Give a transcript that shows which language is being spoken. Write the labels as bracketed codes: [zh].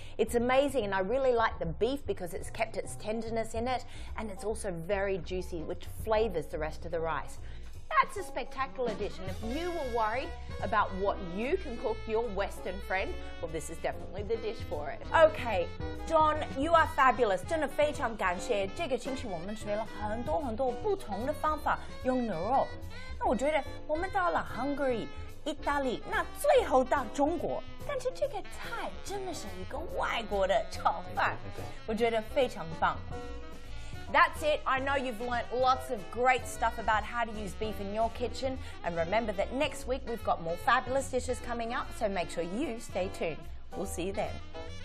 [en] It's amazing, and I really like the beef because it's kept its tenderness in it, and it's also very juicy, which flavors the rest of the rice. That's a spectacular dish, and if you were worried about what you can cook your Western friend, well, this is definitely the dish for it. Okay, John, you are fabulous. [zh] 真的非常感谢这个星期，我们学了很多很多不同的方法用牛肉。那我觉得我们到了 Hungary, Italy, 那最后到中国，但是这个菜真的是一个外国的炒饭，我觉得非常棒。 [en] That's it. I know you've learnt lots of great stuff about how to use beef in your kitchen. And remember that next week we've got more fabulous dishes coming up, so make sure you stay tuned. We'll see you then.